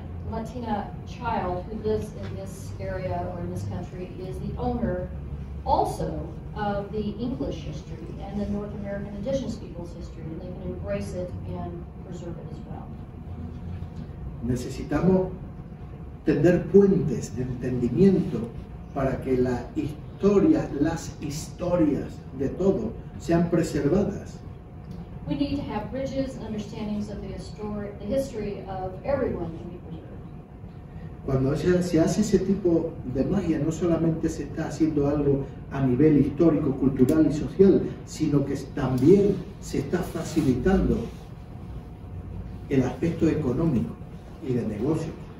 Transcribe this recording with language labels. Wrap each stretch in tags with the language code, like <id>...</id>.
<en>Latina child who lives in this area or in this country is the owner also of the English history and the North American indigenous people's history, and they can embrace it and preserve it as well.</en> <es>Necesitamos tender puentes de entendimiento para que la historia, las historias de todo sean preservadas.</es> <en>We need to have bridges and understandings of the history of everyone.</en> <es>Cuando se hace ese tipo de magia, no solamente se está haciendo algo a nivel histórico, cultural y social, sino que también se está facilitando el aspecto económico y de negocio.</es>